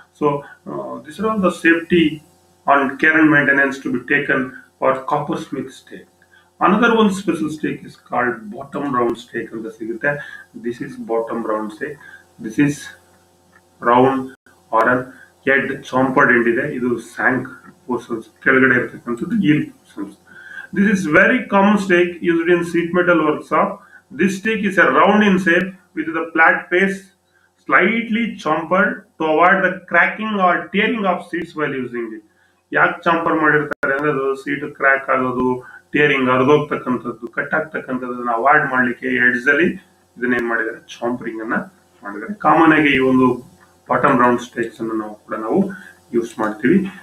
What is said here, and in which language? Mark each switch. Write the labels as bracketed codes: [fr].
[en] So this are all the safety and care and maintenance to be taken for coppersmith stake. Another one special stake is called bottom round stake [kn] ಅಂತ ಸಿಗುತ್ತೆ. [en] This is bottom round stake, this is round or an head chamfered end ಇದೆ. [kn] ಇದು shank portions, ಕೆಳಗಡೆ ಇರತಕ್ಕಂಥದ್ದು ಈಲ್ portions. [en] This is very common stake used in sheet metal workshop. This stake is a round in shape which is a flat face, slightly chamfered to avoid the cracking or tearing of seats while using it. [kn] ಯಾಕೆ ಚಾಂಪರ್ ಮಾಡಿರ್ತಾರೆ ಅಂದ್ರೆ ಅದು seat crack ಆಗೋದು, ಟಿಯರಿಂಗ್ ಹರಿದೋಗ್ತಕ್ಕಂಥದ್ದು, cut ಆಗ್ತಕ್ಕಂಥದ್ದನ್ನ avoid ಮಾಡಲಿಕ್ಕೆ edge ಅಲ್ಲಿ ಇದನ್ನೇನ್ ಮಾಡಿದ್ದಾರೆ, ಚಾಂಪರಿಂಗ್ ಅನ್ನ ಮಾಡಿದ್ದಾರೆ. ಕಾಮನ್ ಆಗಿ ಈ ಒಂದು ಬಾಟಮ್ ರೌಂಡ್ ಸ್ಟೇಕ್ಸ್ ಅನ್ನು ನಾವು ಕೂಡ ನಾವು ಯೂಸ್ ಮಾಡ್ತೀವಿ.